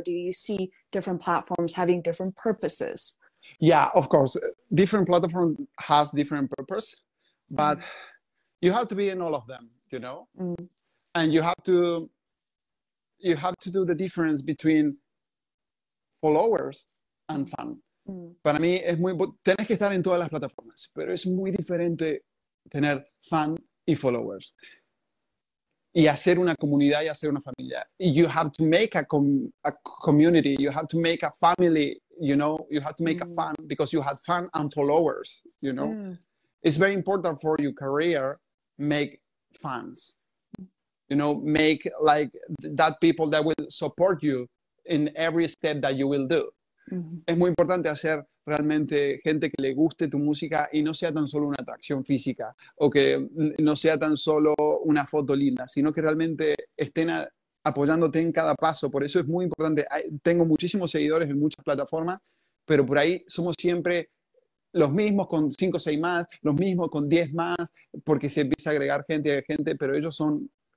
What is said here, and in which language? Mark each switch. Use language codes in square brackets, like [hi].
[en] Or do you see different platforms having different purposes? Yeah, of course. Different platforms has different purpose, but you have to be in all of them, you know? Mm. And you have to do the difference between followers and fan. Mm. [es] Para mí es muy, tienes que estar en todas las plataformas, pero es muy diferente tener fan y followers. Y hacer una comunidad y hacer una familia. [en] You have to make a community, you have to make a family, you know, you have to make a fan because you have fan and followers, you know? Mm. It's very important for your career, make fans. you know, make like that people that will support you in every step that you will do. [es] Es muy importante hacer realmente gente que le guste tu música y no sea tan solo una atracción física o que no sea tan solo una foto linda, sino que realmente estén apoyándote en cada paso. Por eso es muy importante. Tengo muchísimos seguidores en muchas plataformas, pero por ahí somos siempre los mismos con 5 o 6 más, los mismos con 10 más, porque se empieza a agregar gente y gente, pero ellos son...